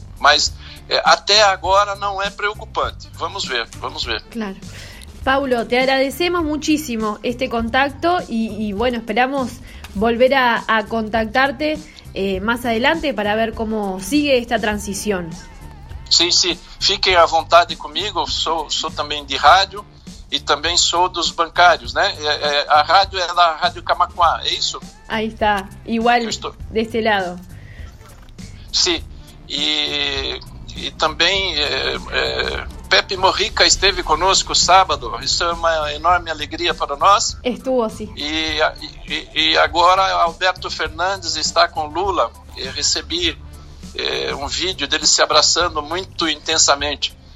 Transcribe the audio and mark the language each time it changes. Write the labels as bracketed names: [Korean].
[Portuguese] Mas até agora não é preocupante. Vamos ver, vamos ver. Claro. [Spanish] Paulo, te agradecemos muchísimo este contacto y bueno, esperamos volver a contactarte más adelante para ver cómo sigue esta transición. Sí, sí. [Portuguese] Fiquen à vontade comigo. Sou também de rádio. E também sou dos bancários, né? A rádio é da Rádio Camaquã, é isso? Aí está, igual deste lado. Sim, sí. E também Pepe Mujica esteve conosco sábado, isso é uma enorme alegria para nós. [Spanish] Estuvo, sim. Sí. [Portuguese] E agora Alberto Fernandes está com Lula, recebi um vídeo dele se abraçando muito intensamente.